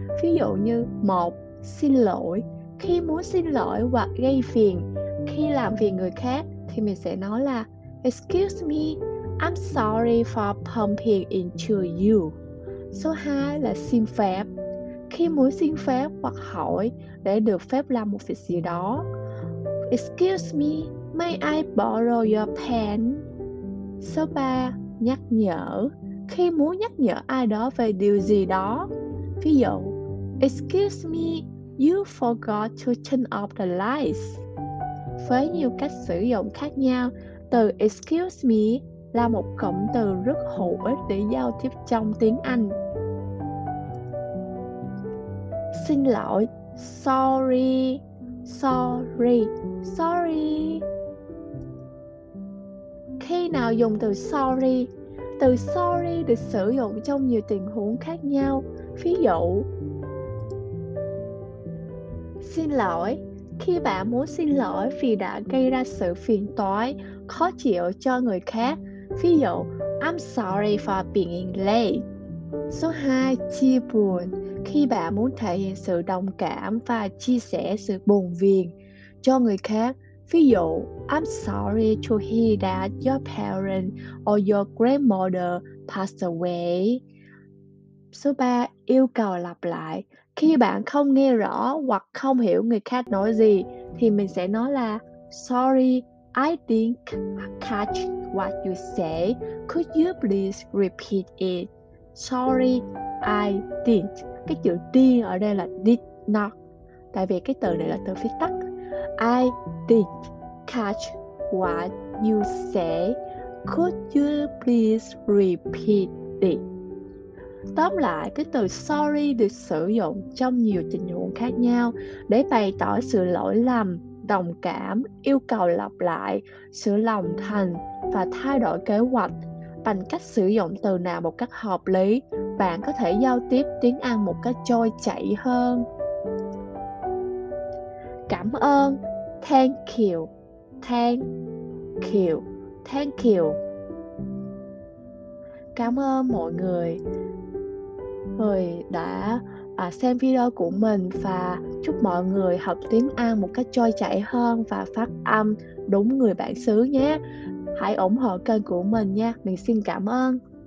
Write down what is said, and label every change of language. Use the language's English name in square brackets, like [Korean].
[Vietnamese] Ví dụ như một, xin lỗi. Khi muốn xin lỗi hoặc gây phiền, khi làm phiền người khác thì thì mình sẽ nói là [English] excuse me, I'm sorry for bumping into you. [Vietnamese] Số 2 là xin phép. Khi muốn xin phép hoặc hỏi để được phép làm một việc gì đó. [English] Excuse me, may I borrow your pen? [Vietnamese] Số 3, nhắc nhở. Khi muốn nhắc nhở ai đó về điều gì đó. Ví dụ, [English] excuse me, you forgot to turn off the lights. [Vietnamese] Với nhiều cách sử dụng khác nhau, từ excuse me là một cụm từ rất hữu ích để giao tiếp trong tiếng Anh. Xin lỗi, [English] sorry, sorry, sorry. [Vietnamese] Khi nào dùng từ sorry? Từ sorry được sử dụng trong nhiều tình huống khác nhau. Ví dụ, xin lỗi, khi bạn muốn xin lỗi vì đã gây ra sự phiền toái, khó chịu cho người khác. Ví dụ, [English] I'm sorry for being late. [Vietnamese] Số 2, chia buồn. Khi bạn muốn thể hiện sự đồng cảm và chia sẻ sự buồn phiền cho người khác. Ví dụ, [English] I'm sorry to hear that your parent or your grandmother passed away. [Vietnamese] Số 3, yêu cầu lặp lại. Khi bạn không nghe rõ hoặc không hiểu người khác nói gì, thì mình sẽ nói là [English] sorry, I didn't catch what you say. Could you please repeat it? Sorry, I didn't. [Vietnamese] Cái chữ đi ở đây là did not, tại vì cái từ này là từ viết tắt. [English] I didn't catch what you say. Could you please repeat it? [Vietnamese] Tóm lại, cái từ sorry được sử dụng trong nhiều tình huống khác nhau để bày tỏ sự lỗi lầm, đồng cảm, yêu cầu lặp lại, sự lòng thành và thay đổi kế hoạch. Bằng cách sử dụng từ nào một cách hợp lý, bạn có thể giao tiếp tiếng Anh một cách trôi chảy hơn. Cảm ơn, [English] thank you, thank you, thank you. [Vietnamese] Cảm ơn mọi người, người đã xem video của mình, và chúc mọi người học tiếng Anh một cách trôi chảy hơn và phát âm đúng người bản xứ nhé. Hãy ủng hộ kênh của mình nha. Mình xin cảm ơn.